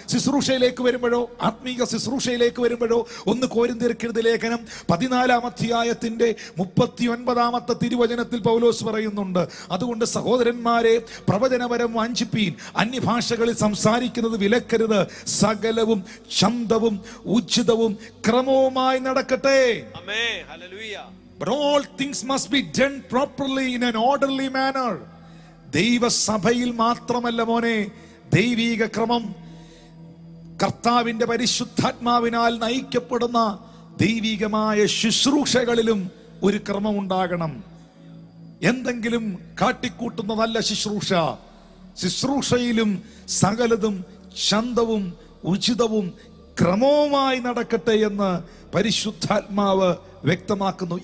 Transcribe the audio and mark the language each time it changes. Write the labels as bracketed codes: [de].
[ml] ശുശ്രൂഷയിലേക്ക് വരുമ്പോഴോ, ആത്മീയ ശുശ്രൂഷയിലേക്ക് വരുമ്പോഴോ, ഒന്ന് കോരിന്ത്യർക്കെഴുതിയ ലേഖനം 14:39 തിരുവചനത്തിൽ പൗലോസ് പറയുന്നുണ്ട്, അതുകൊണ്ട് സഹോദരന്മാരെ പ്രവചനപരം വാഞ്ചിപ്പീൻ, അന്യഭാഷകളിൽ സംസാരിക്കുന്നത് വിലക്കരുത്, സകലവും ശബ്ദവും ഉചിതവും ക്രമവുമായി നടക്കട്ടെ. ആമേൻ, hallelujah. [en] But all things must be done properly in an orderly manner. [ml] ദൈവ സഭയിൽ മാത്രമല്ല മോനെ ദൈവീക ക്രമം, കർത്താവിന്റെ പരിശുദ്ധാത്മാവിനാൽ നയിക്കപ്പെടുന്ന ദൈവീകമായ ശുശ്രൂഷകളിലും ഒരു ക്രമം ഉണ്ടാകണം. എന്തെങ്കിലും കാട്ടിക്കൂട്ടുന്നതല്ല ശുശ്രൂഷ, ശുശ്രൂഷയിലും സകലതും ശാന്തവും ഉചിതവും ക്രമവുമായി നടക്കട്ടെ എന്ന് പരിശുദ്ധാത്മാവ് വ്യക്തമാക്കുന്നു.